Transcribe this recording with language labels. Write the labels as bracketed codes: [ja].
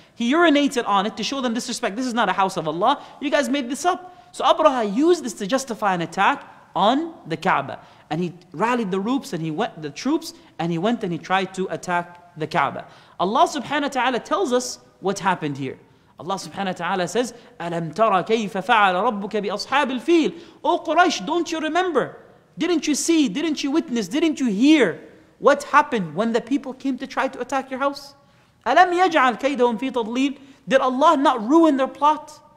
[en] He urinated on it to show them disrespect. This is not a house of Allah. You guys made this up. So Abraha used this to justify an attack on the Kaaba. And he rallied the troops and he went and he tried to attack the Kaaba. Allah subhanahu wa ta'ala tells us what happened here. Allah subhanahu wa ta'ala says, [ar] أَلَمْ تَرَ كَيْفَ فَعَلَ رَبُّكَ بِأَصْحَابِ الْفِيلِ. [en] Oh Quraysh, don't you remember? Didn't you see? Didn't you witness? Didn't you hear what happened when the people came to try to attack your house? [ar] أَلَمْ يَجْعَلْ كَيْدَهُمْ فِي تَضْلِيلِ. [en] Did Allah not ruin their plot?